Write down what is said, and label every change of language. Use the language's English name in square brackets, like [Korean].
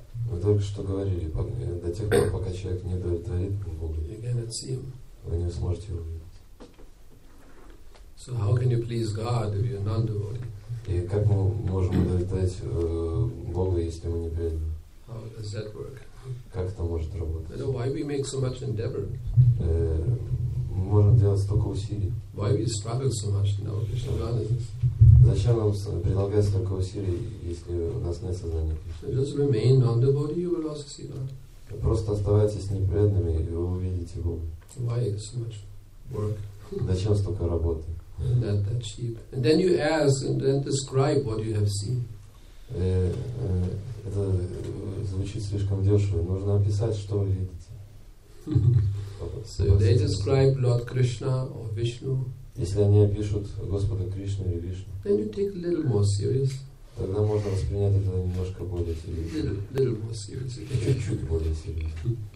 [Russian] Мы только что говорили, до тех пор, пока человек не удовлетворит Богу, вы не сможете его увидеть. [English] So how can you please God if you're non-devotee? [Russian] И как мы можем удовлетворить Бога, если мы не преданы? [English] How does that work? [Russian] Как это может работать? [English] Then why we make so much endeavor? [Russian] Мы можем делать столько усилий. [English] Why we struggle so much now? [Russian] Зачем нам прилагать столько усилий, если у нас нет сознания Кришны? [English] Just remain non-devotee, you will also see God. [Russian] Просто оставайтесь непреданными, и вы увидите Бога. [English] Why so much work? [Russian] Зачем столько работы? [English] That cheap. And then you ask and then describe what you have seen. [Russian] Это звучит слишком дешево. Нужно описать, что вы видите. [English] So they describe Lord Krishna or Vishnu. [Russian] Если они опишут Господа Кришну или Вишну, [English] then you take a little more serious. [Russian] Тогда можно воспринять это немножко более серьезно. Чуть-чуть более серьезно.